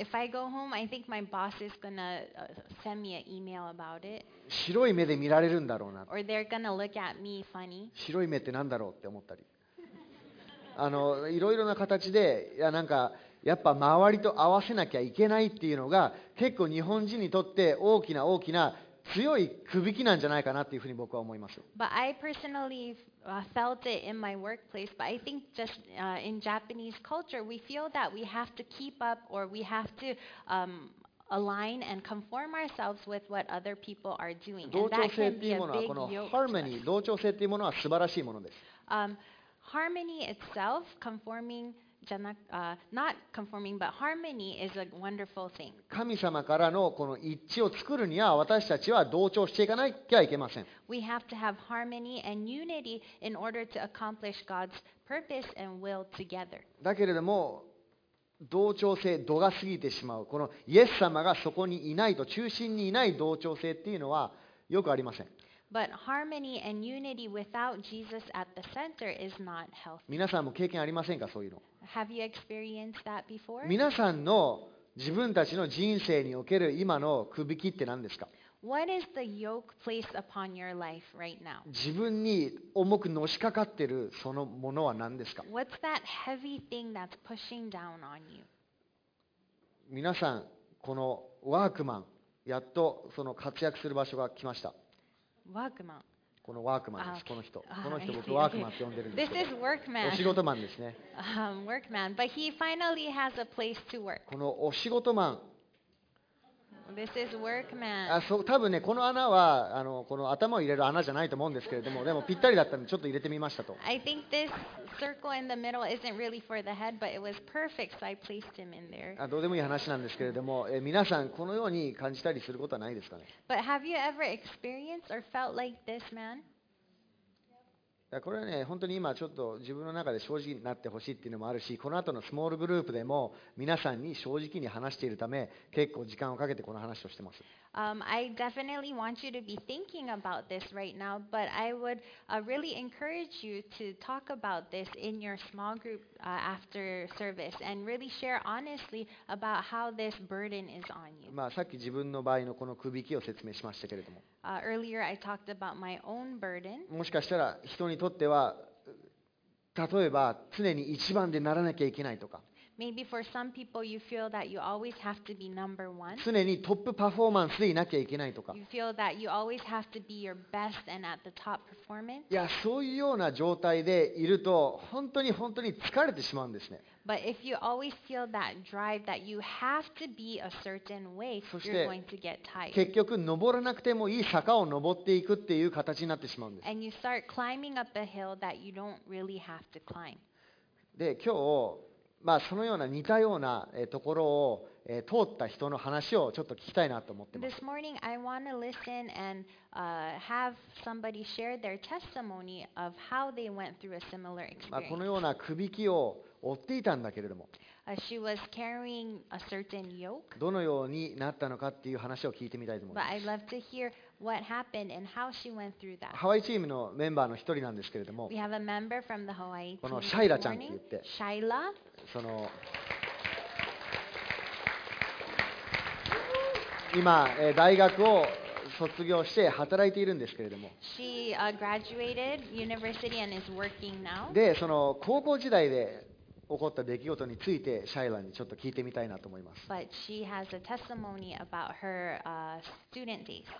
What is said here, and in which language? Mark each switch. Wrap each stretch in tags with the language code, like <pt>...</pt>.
<en>If I go home, I think my boss is gonna send me an email about it.</en> <ja>白い目で見られるんだろうな。</ja> <en>Or they're gonna look at me funny.</en> <ja>白い目ってなんだろうって思ったり。いろいろな形で、いやなんか。やっぱ周りと合わせなきゃいけないっていうのが結構日本人にとって大きな大きな強い区引きなんじゃないかなっていうふうに僕は思います。</ja> <en>But I personally felt it in my workplace. But I think just in Japanese culture, we feel that we have to keep up or we have to align and conform ourselves with what other people are doing.</en> <ja>同調性っていうものはこの harmony、同調性っていうものは素晴らしいものです。</ja> <en>Harmony itself, conforming. Not conforming, but harmony is a wonderful thing.</en> <ja>神様からのこの一致を作るには私たちは同調していかなきゃいけません。</ja> <en>We have to have harmony and unity in order to accomplish God's purpose and will together.</en> <ja>だけれども同調性度が過ぎてしまうこのイエス様がそこにいないと中心にいない同調性っていうのはよくありません。</ja> <en>But harmony and unity without Jesus at the center is not healthy.</en> <ja>皆さんも経験ありませんか、そういうの。</ja> <en>Have you experienced that before?</en> <ja>皆さんの自分たちの人生における今の区引きって何ですか?</ja> <en>What is the yoke placed upon your life right now?</en> <ja>自分に重くのしかかってるそのものは何ですか?</ja> <en>What's that heavy thing that's pushing down on you?</en> <ja>皆さん、このワークマン、やっとその活躍する場所が来ました。ワークマン。このワークマンです。この人。この人僕ワークマンって呼んでるんですけど。</ja> <en>This is workman.</en> <ja>お仕事マンですね。</ja> <en>Workman, but he finally has a place to work.</en> <ja>このお仕事マン。</ja> <en>This is workman.</en> <ja>そう、多分ね、この穴はこの頭を入れる穴じゃないと思うんですけれども、でもぴったりだったんでちょっと入れてみましたと。</ja> <en>I think this circle in the middle isn't really for the head, but it was perfect, so I placed him in there.</en> <ja>どうでもいい話なんですけれども、皆さんこのように感じたりすることはないですかね。</ja> <en>But have you ever experienced or felt like this man?</en> <ja>いや、これはね、本当に今ちょっと自分の中で正直になってほしいっていうのもあるし、この後のスモールグループでも皆さんに正直に話しているため、結構時間をかけてこの話をしてます。</ja> <en>I definitely want you to be thinking about this right now, but I would really encourage you to talk about this in your small group after service and really share honestly about how this burden is on you.</en> <ja>まあ、さっき自分の場合のこの区引きを説明しましたけれども。</ja> <en>Earlier I talked about my own burden.</en> <ja>もしかしたら人にとっては、例えば常に一番でならなきゃいけないとか。</ja> <en>Maybe for some people you feel that you always have to be number one.</en> <ja>常にトップパフォーマンスでいなきゃいけないとか。</ja> <en>You feel that you always have to be your best and at the top performance.</en> <ja>いや、そういうような状態でいると本当に本当に疲れてしまうんですね。</ja> <en>But if you always feel that drive that you have to be a certain way, you're going to get tired.</en> <ja>結局登らなくてもいい坂を登っていくっていう形になってしまうんです。</ja> <en>And you start climbing up a hill that you don't really have to climb.</en> <ja>で、今日まあ、そのような似たようなところを通った人の話をちょっと聞きたいなと思ってます。</ja> <en>This morning I want to listen and have somebody share their testimony of how they went through a similar experience.</en> <ja>まあ、このような首輝きを負っていたんだけれども。</ja> <en>She was carrying a certain yoke.</en> <ja>どのようになったのかっていう話を聞いてみたいと思います。</ja> <en>But I'd love to hear what happened and how she went through that.</en> <ja>ハワイチームのメンバーの一人なんですけれども。</ja> <en>We have a member from the Hawaii team.</en> <ja>このシャイラちゃんって言って。シャイラ。その今大学を卒業して働いているんですけれども。</ja> <en>She graduated university and is working now.</en> <ja>で、その高校時代で。起こった出来事についてシャイラにちょっと聞いてみたいなと思います。</ja> <en>But she has a testimony about her student days.</en>